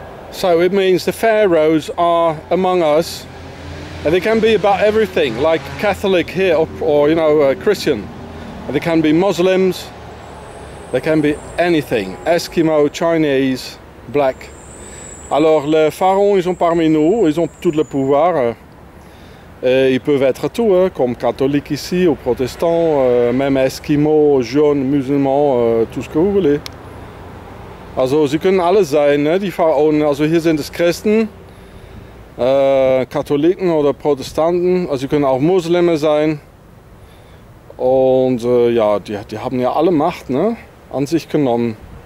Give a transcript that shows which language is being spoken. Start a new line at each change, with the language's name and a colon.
English: So it means the pharaohs are among us. And they can be about everything, like Catholic here, or Christian. And they can be Muslims. They can be anything, Eskimo, Chinese, black.
French: Alors les pharaons, ils sont parmi nous, ils ont tout le pouvoir. Et ils peuvent être tout, hein, comme catholiques ici, ou protestants, même Eskimos, jaunes, musulmans, tout ce que vous voulez.
German: Also, sie können alles sein, ne, die Pharaonen. Also hier sind es Christen, Katholiken oder Protestanten. Also sie können auch Muslime sein. Und ja, die haben ja alle Macht, ne, an sich genommen.